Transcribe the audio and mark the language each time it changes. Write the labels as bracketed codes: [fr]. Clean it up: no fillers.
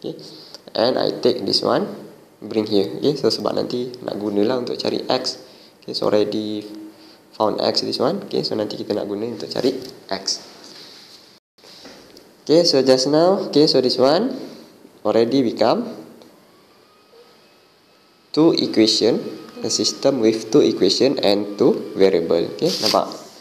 [en] Okay, and I take this one, bring here. [ms] Okay, so sebab nanti nak gunalah untuk cari x. [en] Okay, so already found x this one. Okay, so [ms] nanti kita nak guna untuk cari x. [en] Okay, so just now, okay, so this one already become two equation, a system with two equation and two variable. Okay, nampak?